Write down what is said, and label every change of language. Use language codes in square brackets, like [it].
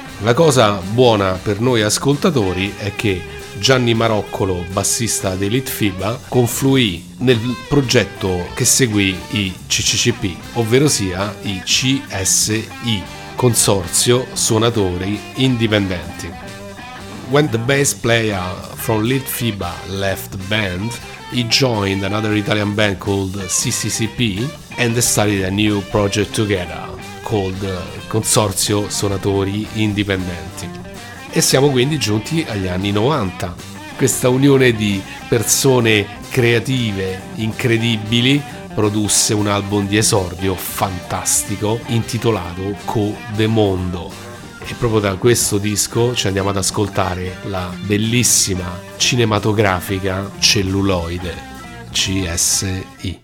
[it] La cosa buona per noi ascoltatori è che Gianni Maroccolo, bassista di Litfiba, confluì nel progetto che seguì i CCCP, ovvero sia i CSI, Consorzio Suonatori Indipendenti. [en] When the bass player from Litfiba left the band, he joined another Italian band called CCCP and they started a new project together called Consorzio Suonatori Indipendenti. [it] E siamo quindi giunti agli anni 90. Questa unione di persone creative incredibili produsse un album di esordio fantastico intitolato Co de Mondo. E proprio da questo disco ci andiamo ad ascoltare la bellissima cinematografica Celluloide, CSI.